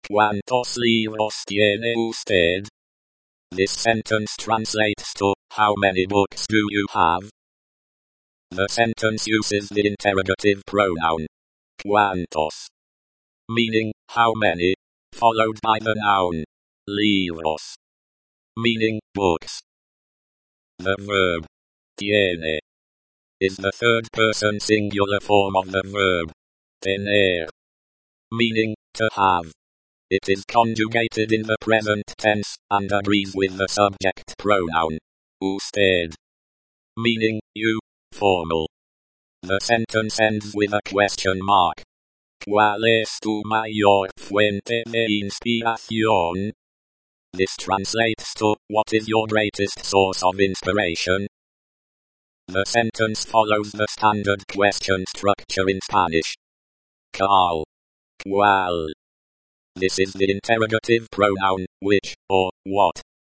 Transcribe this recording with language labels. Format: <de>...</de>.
<es>¿Cuántos libros tiene usted?</es> <en>This sentence translates to, how many books do you have? The sentence uses the interrogative pronoun, ¿cuántos? Meaning, how many, followed by the noun, libros, meaning, books. The verb, tiene, is the third person singular form of the verb, tener, meaning, to have. It is conjugated in the present tense, and agrees with the subject pronoun, usted, meaning, you, formal. The sentence ends with a question mark.</en> <es>¿Cuál es tu mayor fuente de inspiración?</es> <en>This translates to, what is your greatest source of inspiration? The sentence follows the standard question structure in Spanish. ¿Cuál? ¿Cuál? This is the interrogative pronoun, which, or, what.</en>